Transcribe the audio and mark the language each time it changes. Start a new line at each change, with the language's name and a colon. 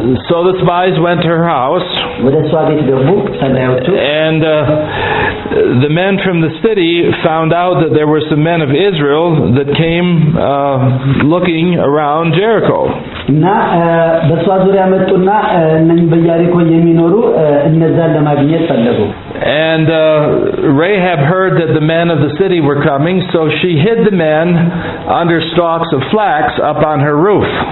English: So the spies went to her house, and the men from the city found out that there were some men of Israel that came looking around Jericho.
Amharic: እና በሷ ዙሪያ መጡና እነኝ በያሪኮ የሚኖሩ እነዛን ለማግኘት ፈለጉ።
English: And Rahab heard that the men of the city were coming, so she hid the men under stalks of flax up on her roof.